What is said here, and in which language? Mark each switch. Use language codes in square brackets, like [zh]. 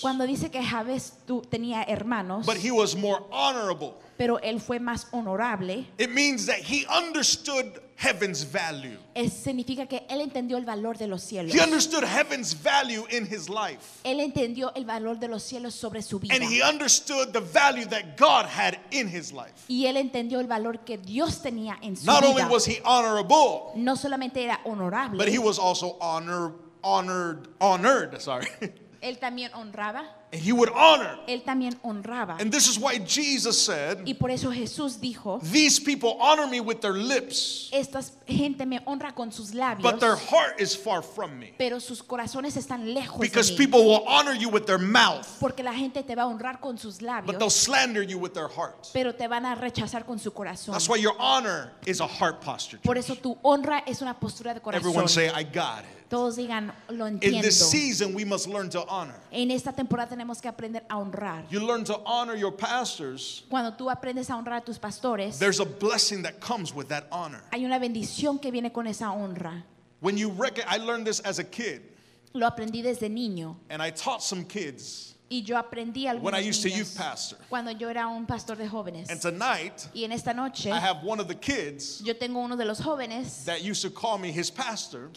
[es] cuando dice que Jabez tenía hermanos, [en] but he was more honorable, [es] pero él fue más honorable, [en] it means that he understood heaven's value. [es] Es significa que él entendió el valor de los cielos. [en] He understood heaven's value in his life. [es] Él entendió el valor de los cielos sobre su vida. [en] And he understood the value that God had in his life. [es] Y él entendió el valor que Dios tenía en su vida. [en] Not only was he honorable, [es] no solamente era honorable, [en] but he was also honored, sorry. [es] Él también honraba. [en] And he would honor. [es] Él también honraba. [en] And this is why Jesus said, [es] y por eso Jesús dijo, [en] these people honor me with their lips, [es] esta gente me honra con sus labios, [en] but their heart is far from me. [es] Pero sus corazones están lejos [en] because [es] de [en] people [es] mí. [en] Will honor you with their mouth, [es] porque la gente te va a honrar con sus labios, [en] but they'll slander you with their heart. [es] Pero te van a rechazar con su corazón. [en] That's why your honor is a heart posture. [es] Por eso tu honra es una postura de corazón. [en] Everyone say, I got it. [es] Todos digan, lo entiendo. [en] In this season, we must learn to honor. [es] En esta temporada tenemos que aprender a honrar. [en] You learn to honor your pastors. [es] Cuando tú aprendes a honrar a tus pastores, [en] there's a blessing that comes with that honor. [es] Hay una bendición que viene con esa honra. [en] When you reckon, I learned this as a kid. [es] Lo aprendí desde niño. [en] And I taught some kids. [es] Y yo aprendí a algunos [en] when I used to youth pastor. [es] Cuando yo era un pastor de jóvenes. [en] And tonight, [es] y en esta noche, [en] I have one of the kids. [es] Yo tengo uno de los jóvenes [en] that used to call me his pastor.